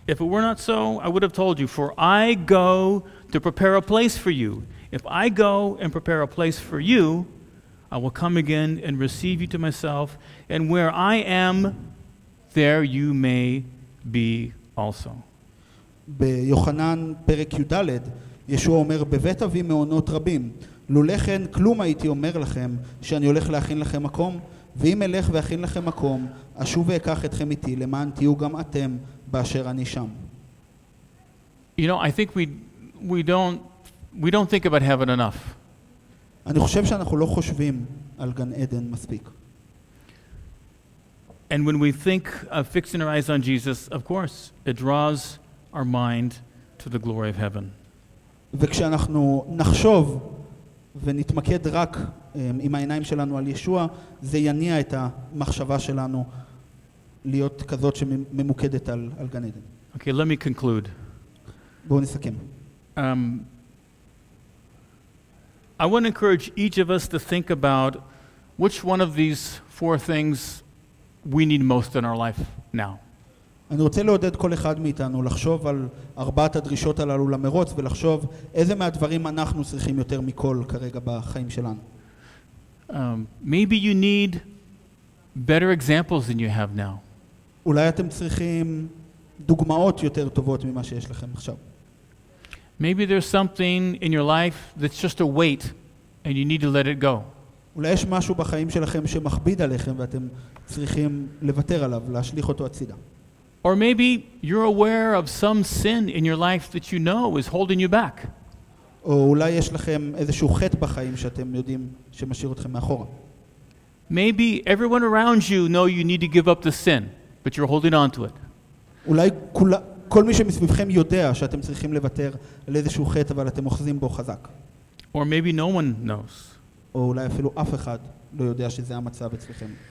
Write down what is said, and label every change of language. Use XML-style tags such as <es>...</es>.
<en>If it were not so, I would have told you, for I go to prepare a place for you. If I go and prepare a place for you, I will come again and receive you to myself, and where I am, there you may be also.</en> <he>ביוחנן פרק י' ישוע אומר, בבית אבי מעונות רבים, לולא כן כלום הייתי אומר לכם, שאני הולך להכין לכם מקום, ואם אלך ואכין לכם מקום, אשוב ואקח אתכם איתי, למען תהיו גם אתם באשר אני שם.</he> <en>You know, I think we don't think about heaven enough.</en> <he>אני חושב שאנחנו לא חושבים על גן עדן מספיק.</he> <en>And when we think of fixing our eyes on Jesus, of course, it draws our mind to the glory of heaven.</en> <he>וכשאנחנו נחשוב ונתמקד רק עם העיניים שלנו על ישוע, זה יניע את המחשבה שלנו להיות כזאת שממוקדת על גן עדן.</he> <en>Okay, let me conclude.</en> <he>בואו נסכם.</he> <en>I want to encourage each of us to think about which one of these four things we need most in our life now.</en> <he>אני רוצה לעודד כל אחד מאיתנו לחשוב על ארבעת הדרישות הללו למרוץ ולחשוב איזה מהדברים אנחנו צריכים יותר מכל כרגע בחיים שלנו.</he> <en>Maybe you need better examples than you have now.</en> <he>אולי אתם צריכים דוגמאות יותר טובות ממה שיש לכם עכשיו.</he> <en>Maybe there's something in your life that's just a weight and you need to let it go.</en> <he>אולי יש משהו בחיים שלכם שמכביד עליכם ואתם צריכים לוותר עליו, להשליך אותו הצידה.</he> <en>Or maybe you're aware of some sin in your life that you know is holding you back.</en> <he>או אולי יש לכם איזשהו חטא בחיים שאתם יודעים שמשאיר אתכם מאחורה.</he> <en>Maybe everyone around you know you need to give up the sin, but you're holding on to it.</en> <he>אולי כל מי שמסביבכם יודע שאתם צריכים לוותר על איזשהו חטא אבל אתם אוחזים בו חזק.</he> <en>Or maybe no one knows.</en> <he>או אולי אפילו אף אחד לא יודע שזה המצב אצלכם.</he>